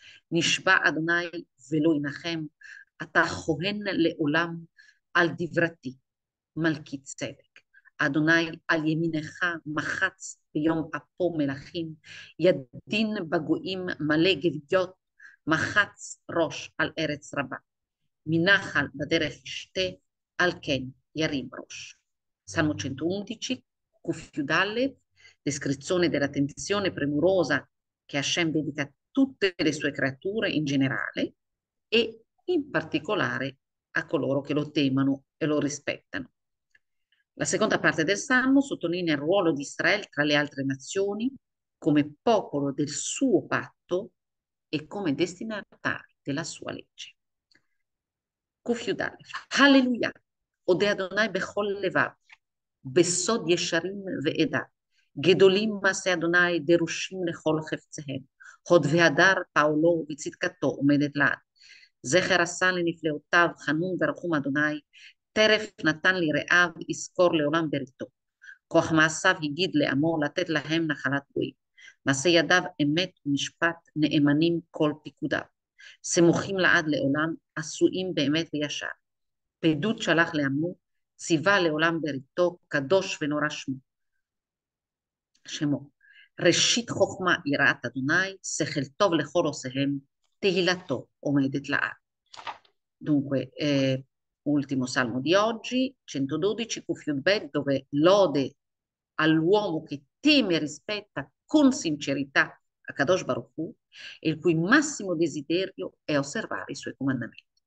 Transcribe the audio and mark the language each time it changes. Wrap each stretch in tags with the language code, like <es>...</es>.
<he>נשבע אדוני ולא ינחם, אתה כהן לעולם על דברתי, מלכי צדק. אדוני על ימינך מחץ ביום אפו מלכים, ידין בגויים מלא גוויות, מחץ ראש על ארץ רבה. מנחל בדרך ישתה, Al Ken Yarim Rosh.</he> <it>Salmo 111, Kufiu Dalev, descrizione dell'attenzione premurosa che Hashem dedica a tutte le sue creature in generale e in particolare a coloro che lo temono e lo rispettano. La seconda parte del Salmo sottolinea il ruolo di Israele tra le altre nazioni come popolo del suo patto e come destinatari della sua legge. Kufiu Dalev, Alleluia!</it> <he>אודה אדוני בכל לבב, בסוד ישרים ועדה, גדולים מעשי אדוני דרושים לכל חפציהם, הוד והדר פעולו וצדקתו עומדת לעד. זכר עשה לנפלאותיו חנון ורחום אדוני, טרף נתן לרעיו יזכור לעולם בריתו. כוח מעשיו הגיד לעמו לתת להם נחלת גויים. מעשי ידיו אמת ומשפט נאמנים כל פקודיו. סמוכים לעד לעולם, עשויים באמת וישר. פדות שלח לעמו, ציווה לעולם בריתו, קדוש ונורא שמו. ראשית חוכמה יראת אדוני, שכל טוב לכל עושיהם, תהילתו עומדת לעד.</he> <it>Dunque, ultimo salmo di oggi, 112, Kufiut Bet, dove lode all'uomo che teme e rispetta con sincerità a Kadosh Baruch Hu, e il cui massimo desiderio è osservare i suoi comandamenti.</it>